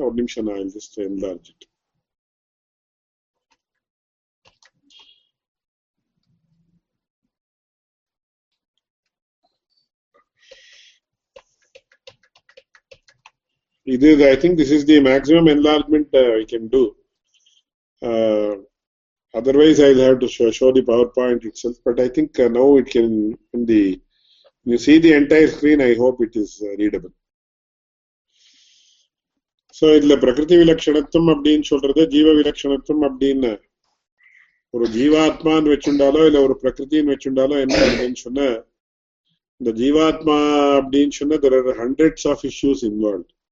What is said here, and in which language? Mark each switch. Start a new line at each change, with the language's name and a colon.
Tamil: ஒரு நிமிஷம் நான் இந்த எல்லாச்சுட்டு
English: it is, I think this is the maximum enlargement I can do. Otherwise, I'll have to show the PowerPoint itself. But I think now it can, in the, you see the entire screen, I hope it is readable.
Tamil: So, இதில் பிரகிருதி விலக்ஷணத்தும் அப்படின்னு சொல்றது, ஜீவ விலக்ஷணத்தும் அப்படின்னு ஒரு ஜீவாத்மான்னு வச்சுண்டாலோ இல்லை ஒரு பிரகிருத்தின்னு வச்சுண்டாலோ என்ன அப்படின்னு சொன்ன, இந்த ஜீவாத்மா அப்படின்னு சொன்ன,
English: there are hundreds of issues involved.